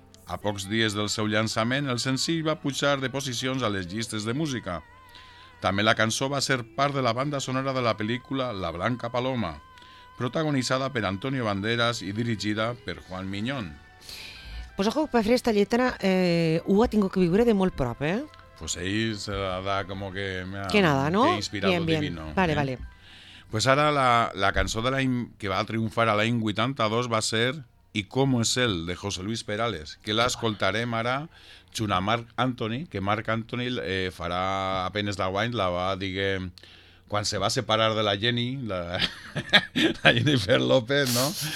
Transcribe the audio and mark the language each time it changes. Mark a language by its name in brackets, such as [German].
[Catalan] A pocs dies del seu llançament, el senzill va pujar de posicions a les llistes de música. També la cançó va ser part de la banda sonora de la pel·lícula La Blanca Paloma, protagonitzada per Antonio Banderas i dirigida per Juan Miñón. [Spanish] Pues ojo, [Catalan] per fer esta lletra, ho ha tingut que viure de molt prop, [Spanish] Pues ahí se la da como que... Me ha, que nada, ¿no? Que inspirado bien, bien. Divino. Vale, vale. [Catalan] Pues ara la cançó de l'any que va triomfar a l'any 82 va ser I com és el, de José Luis Perales, que l'escoltarem ara junta a Marc Anthony, que Marc Anthony farà apenes deu anys, la va, diguem... Quan se va separar de la Jenny, la Jennifer López, no?